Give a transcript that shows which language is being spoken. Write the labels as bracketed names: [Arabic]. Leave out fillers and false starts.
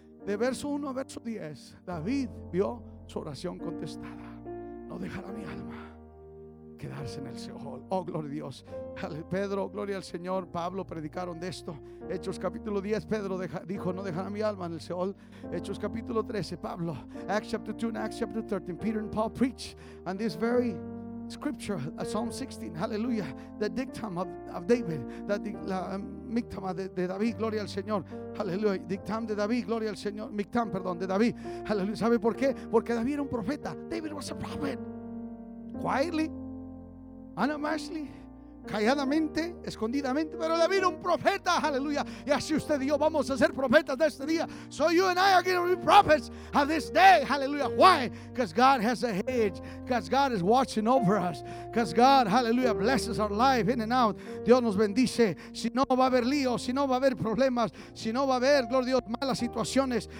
[Spanish] De verso 1 a verso 10, David vio su oración contestada. No dejará mi alma quedarse en el Seol. Oh, gloria a Dios. Pedro, gloria al Señor. Pablo predicaron de esto. Hechos capítulo 10, Pedro dijo, no dejará mi alma en el Seol. Hechos capítulo 13, Pablo. [English] Acts chapter 2 and Acts chapter 13. Peter and Paul preach on this very scripture, Psalm 16. [Spanish] Hallelujah. [English] The dictum of David. [Spanish] La mictama de David, gloria al Señor. Hallelujah. Dictum de David, gloria al Señor. Mictam, perdón, de David. Hallelujah. ¿Sabe por qué? Porque David era un profeta. [English] David was a prophet. Quietly. [Spanish] Unabashedly, calladamente, escondidamente, pero David un profeta, aleluya. Y así usted y yo vamos a ser profetas de este día. [English] So you and I are going to be prophets of this day, aleluya. Why? Because God has a hedge, because God is watching over us, because God, aleluya, blesses our life in and out. [Spanish] Dios nos bendice. Si no va a haber líos, si no va a haber problemas, si no va a haber, gloria a Dios, malas situaciones.